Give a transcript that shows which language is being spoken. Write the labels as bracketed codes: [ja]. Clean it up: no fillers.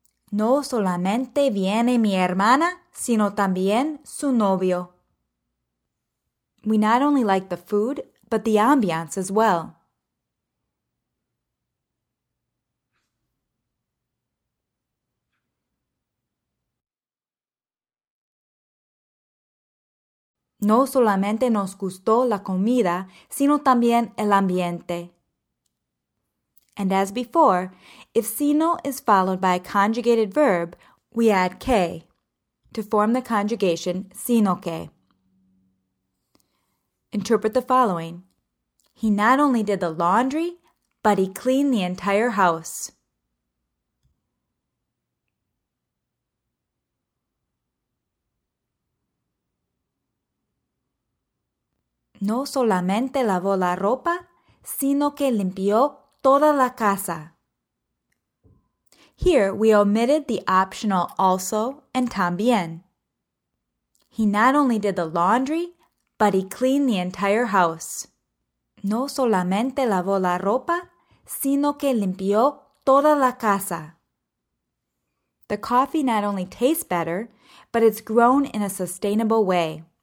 [es] No solamente viene mi hermana, sino también su novio. [en] We not only like the food, but the ambiance as well. [es] No solamente nos gustó la comida, sino también el ambiente. [en] And as before, if sino is followed by a conjugated verb, we add que to form the conjugation sino que. Interpret the following. He not only did the laundry, but he cleaned the entire house. [es] No solamente lavó la ropa, sino que limpió toda la casa. [en] Here we omitted the optional also and también. He not only did the laundry, but he cleaned the entire house. [es] No solamente lavó la ropa, sino que limpió toda la casa. [en] The coffee not only tastes better, but it's grown in a sustainable way.